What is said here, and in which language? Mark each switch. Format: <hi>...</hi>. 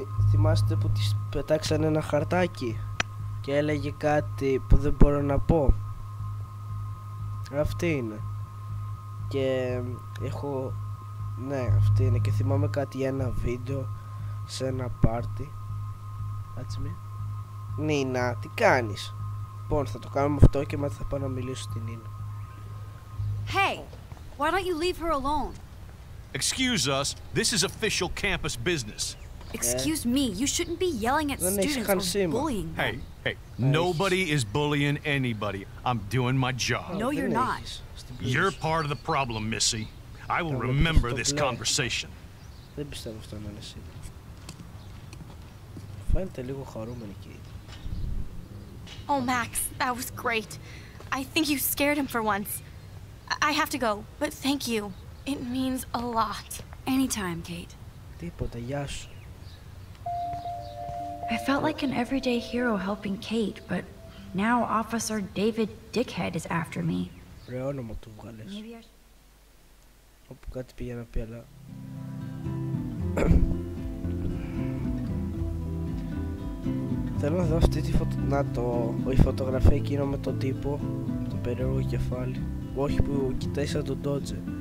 <el>Θυμάστε που της πετάξανε ένα χαρτάκι και έλεγε κάτι που δεν μπορώ να πω. Αυτή είναι. Και έχω... Ναι, αυτή είναι. Και θυμάμαι κάτι για ένα βίντεο σε ένα πάρτι.</el> <en>That's me.</en> <el>Νίνα, τι κάνεις? Λοιπόν, θα το κάνουμε αυτό και μετά θα πάω να μιλήσω στην Νίνα.</el> <en>Hey, why don't you leave her alone? Excuse us, this is official campus business. Excuse me, you shouldn't be yelling at students or bullying them. Hey, nobody is bullying anybody. I'm doing my job. No, you're not. You're part of the problem, Missy. I will remember this conversation.</en> <el>Δεν πιστεύω αυτό να είναι σίγουρο. Φαίνεται λίγο χαρούμενη και ήδη.</el> <en>Oh, Max, that was great. I think you scared him for once. I have to go, but thank you. It means a lot. Anytime, Kate.</en> <el>Τίποτα, γεια σου.</el> <en>I felt like an everyday hero helping Kate, but now Officer David Dickhead is after me.</en> <el>Ρε όνομα του βγάλες. Όπου κάτι πήγε να πει, αλλά... Θέλω να δω αυτή τη η φωτογραφία εκείνο με τον τύπο, το περίεργο κεφάλι. Όχι που κοιτάει σαν τον Dodge.</el>